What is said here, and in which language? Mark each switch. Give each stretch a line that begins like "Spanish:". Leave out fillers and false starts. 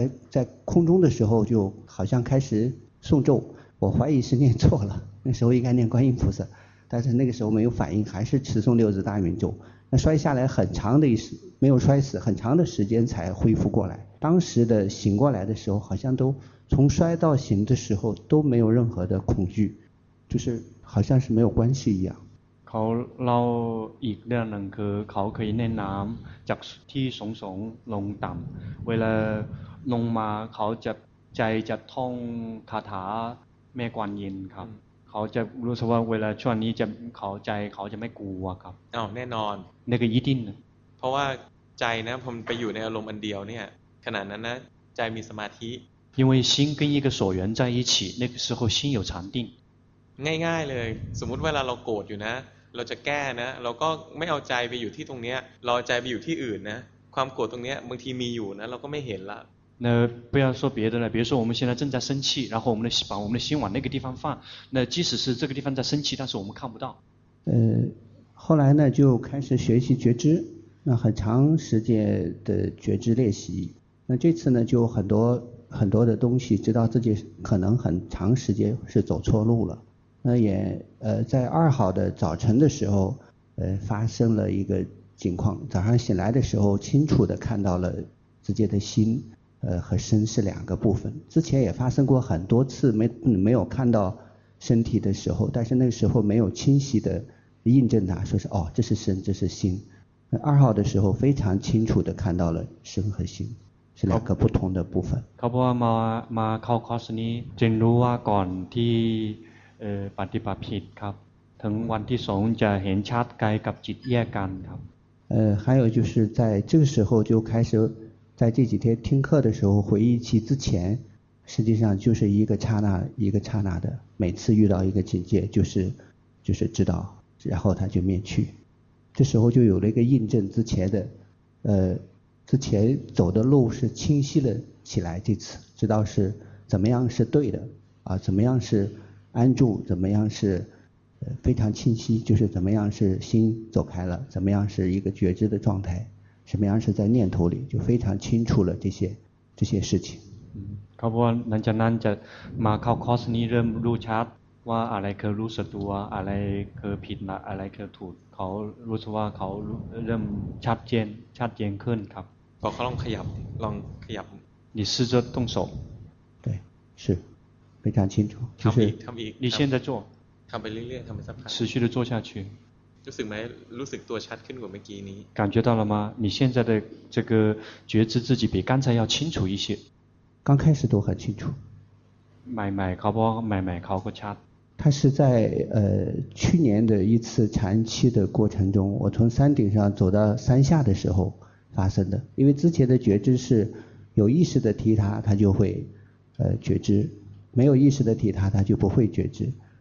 Chinese: 在空中的时候就好像开始诵咒我怀疑是念错了那时候应该念观音菩萨但是那个时候没有反应还是持诵六字大明咒那摔下来很长的没有摔死很长的时间才恢复过来当时的醒过来的时候好像都从摔到醒的时候都没有任何的恐惧就是好像是没有关系一样
Thai: เขาเล่าอีกเรื่องหนึ่งคือเขาเคยเล่นน้ำจากที่สูงลงต่ำเวลาลงมาเขาจะใจจะท่องคาถาแม่กวนอิมครับเขาจะรู้สึกว่าเวลาช่วงนี้จะเขาใจเขาจะไม่กลัวครับ อ๋อแน่นอน นี่ก็ยิ่งดิ้น เพราะว่าใจนะผมไปอยู่ในอารมณ์อันเดียวเนี่ยขนาดนั้นนะใจมีสมาธิ
Chinese: 因为心跟一个所缘在一起那个时候心有禅定
Thai: ง่ายๆเลยสมมติเวลาเราโกรธอยู่นะเราจะแก้นะเราก็ไม่เอาใจไปอยู่ที่ตรงนี้รอใจไปอยู่ที่อื่นนะความโกรธตรงนี้บางทีมีอยู่นะเราก็ไม่เห็นละ
Chinese: 那不要说别的了，比如说我们现在正在生气，然后我们的心往那个地方放，那即使是这个地方在生气，但是我们看不到。后来呢就开始学习觉知，那很长时间的觉知练习，那这次呢就很多很多的东西，知道自己可能很长时间是走错路了。那也在二号的早晨的时候发生了一个情况早上醒来的时候清楚地看到了自己的心和身是两个部分之前也发生过很多次没有看到身体的时候但是那个时候没有清晰地印证它说是哦这是身这是心二号的时候非常清楚地看到了身和心是两个不同的部分
Thai: เขาบอกว่ามาเข้าคอร์สนี้จึงรู้ว่าก่อนที่ปฏิบัติผิดครับถึงวันที่สองจะเห็นชัดกายกับจิตแยกกันครับ
Chinese: 还有就是在这个时候就开始在这几天听课的时候回忆起之前实际上就是一个刹那一个刹那的每次遇到一个境界就是知道然后它就灭去这时候就有了一个印证之前的之前走的路是清晰了起来这次知道是怎么样是对的啊怎么样是安住怎么样是非常清晰就是怎么样是心走开了怎么样是一个觉知的状态什么样是在念头里就非常清楚了这些事情
Thai: เขาบอกว่าหลังจากนั้นจะมาเข้าคอร์สนี้เริ่มรู้ชัดว่าอะไรคือรู้สึกตัวอะไรคือผิดอะไรคือถูกเขารู้สึกว่าเขาเริ่มชัดเจนขึ้นครับ พอเขาลองขยับ
Chinese: 你试着动手对是非常清楚
Thai: ทำอีก
Chinese: 你现在做
Thai: ทำไปเรื่อยๆทำไปสักพัก
Chinese: 持续的做下去
Thai: รู้สึกไหมรู้สึกตัวชัดขึ้นกว่าเมื่อกี้นี้
Chinese: 感觉到了吗你现在的这个觉知自己比刚才要清楚一些刚开始都很清楚
Thai: ใหม่ๆเขาบอกใหม่ๆเขาก็ชัด
Chinese: 他是在去年的一次禅期的过程中，我从山顶上走到山下的时候发生的。因为之前的觉知是有意识的提他，他就会觉知；没有意识的提他，他就不会觉知。